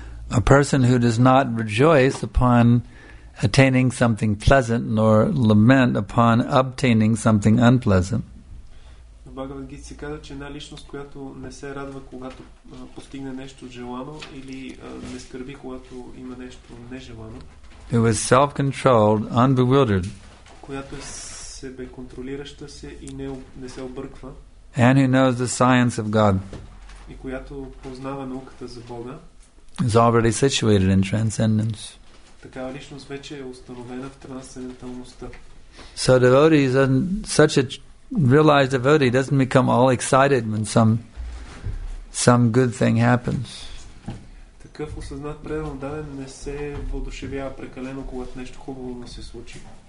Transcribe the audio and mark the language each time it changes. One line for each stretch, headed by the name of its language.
English: A person who does not rejoice upon attaining something pleasant, nor lament upon obtaining something unpleasant.
Bulgarian: Bhagavad Gita се казва, че една личност, която не се радва, когато постигне нещо желано, или не скърби, когато има нещо нежелано.
English: Who is self-controlled, unbewildered.
Bulgarian: Която е себе контролираща се и не се обърква.
English: And who knows the science of God.
Bulgarian: И която познава науката за Бога.
English: Is already situated in transcendence.
Bulgarian: Такава личност вече е установена в трансценденталността.
English: So devotees, such a realized devotee doesn't become all excited when some good thing happens.
Bulgarian: Такъв осъзнат преданен не се въодушевява прекалено, когато нещо хубаво му се случи.